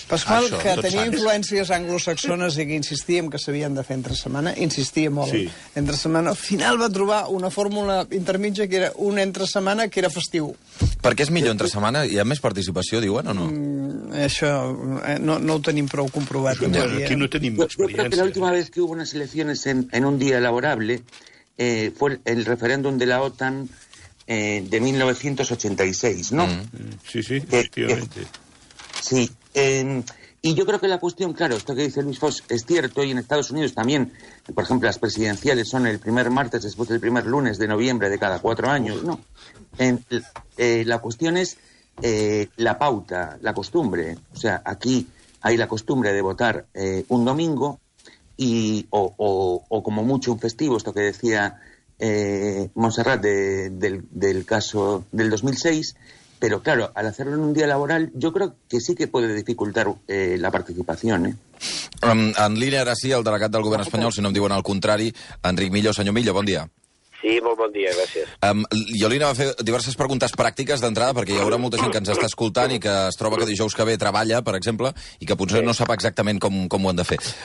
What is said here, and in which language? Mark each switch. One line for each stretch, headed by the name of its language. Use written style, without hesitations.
Catalan: Pasqual, que tenia influències anglosaxones i que insistíem que s'havien de fer entre setmana, insistia molt, sí. Entre setmana, al final va trobar una fórmula intermitja que era un entre setmana que era festiu. Per què és millor entre setmana? Hi ha més participació, diuen, o no? Això no ho tenim prou comprovat. Ja. Aquí no tenim experiència.
Spanish: Que la última vez que hubo unas elecciones en un día laborable fue el referéndum de la OTAN de 1986, ¿no? Sí, sí, efectivamente. Sí. Y yo creo que la cuestión, claro, esto que dice Luis Foss es cierto, y en Estados Unidos también, por ejemplo, las presidenciales son el primer martes después del primer lunes de noviembre de cada cuatro años, ¿no? La cuestión es la pauta, la costumbre. O sea, aquí hay la costumbre de votar un domingo o como mucho un festivo, esto que decía Montserrat del caso del 2006. Pero claro, al hacerlo en un día laboral, yo creo que sí que puede dificultar la participación.
Catalan: En línia ara sí, el delegat del govern espanyol, si no em diuen al contrari, Enric Millo. Senyor Millo, bon dia. Sí, molt bon dia, gràcies. Jo li anava a fer diverses preguntes pràctiques d'entrada, perquè hi haurà molta gent que ens està escoltant i que es troba que dijous que ve treballa, per exemple, i que potser no sap exactament com ho han de fer.